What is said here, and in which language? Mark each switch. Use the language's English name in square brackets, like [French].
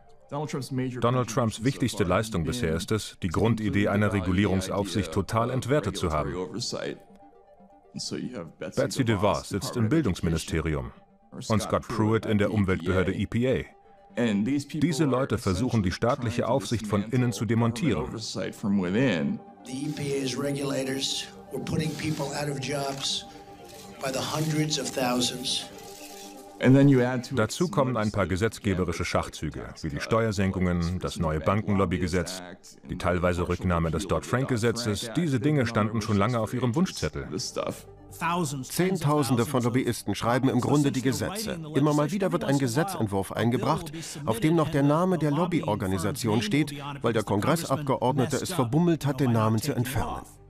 [German] Donald Trumps wichtigste Leistung bisher ist es, die Grundidee einer Regulierungsaufsicht total entwertet zu haben. Betsy DeVos sitzt im Bildungsministerium und Scott Pruitt in der Umweltbehörde EPA. Diese Leute versuchen, die staatliche Aufsicht von innen zu demontieren. [English] Die EPA's regulators were putting people out of jobs by the hundreds of thousands. [German] Dazu kommen ein paar gesetzgeberische Schachzüge, wie die Steuersenkungen, das neue Bankenlobbygesetz, die teilweise Rücknahme des Dodd-Frank-Gesetzes. Diese Dinge standen schon lange auf ihrem Wunschzettel. Zehntausende von Lobbyisten schreiben im Grunde die Gesetze. Immer mal wieder wird ein Gesetzentwurf eingebracht, auf dem noch der Name der Lobbyorganisation steht, weil der Kongressabgeordnete es verbummelt hat, den Namen zu entfernen.